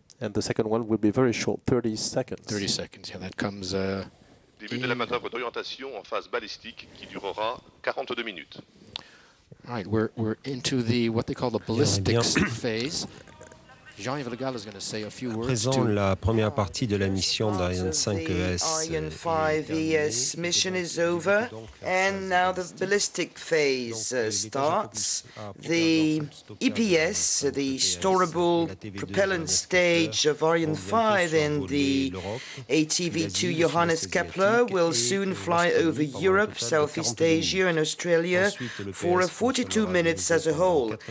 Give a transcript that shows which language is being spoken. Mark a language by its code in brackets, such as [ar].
[en] And the second one will be very short, 30 seconds. 30 seconds, yeah, that comes... [fr] Début de la manœuvre d'orientation en phase balistique qui durera 42 minutes. [en] All right, we're into the what they call the ballistics phase. Jean-Yves Le Gall is going to say a few words. [fr] À présent, la première partie de la mission d'Ariane 5 ES. [en] Ariane 5 ES mission is over, and now the ballistic phase starts. The EPS, the storable propellant stage of Ariane 5 in the ATV2 Johannes Kepler, will soon fly over Europe, Southeast Asia, and Australia for 42 minutes as a whole.